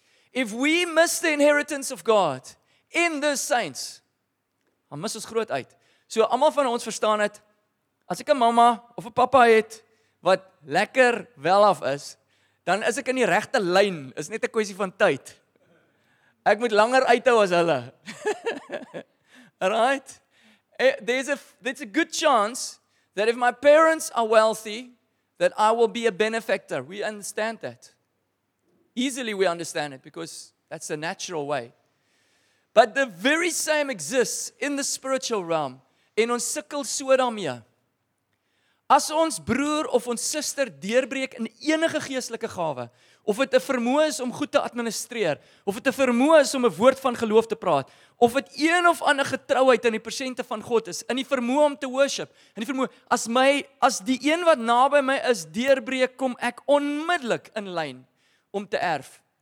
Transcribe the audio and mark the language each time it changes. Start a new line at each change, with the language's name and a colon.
English: If we miss the inheritance of God in the saints,
Afrikaans: dan mis ons groot uit. So almal van ons verstaan dit. As ek 'n mamma of 'n pappa het wat lekker welaf is, dan is ek in die regte lyn. Is net 'n kwessie van tyd. Ek moet langer uithou as hulle.
English: Right? There's a good chance that if my parents are wealthy, that I will be a benefactor. We understand that. Easily we understand it because that's the natural way. But the very same exists in the spiritual realm.
Afrikaans: En ons sukkel so daarmee. As ons broer of ons suster deurbreek in enige geestelike gawe, of dit 'n vermoë is om goed te administreer, of dit 'n vermoë is om 'n woord van geloof te praat, of dit een of ander getrouheid in die persente van God is, in die vermoë om te worship, in die vermoë, as die een wat naby my is deurbreek, kom ek onmiddellik in lyn om te erf.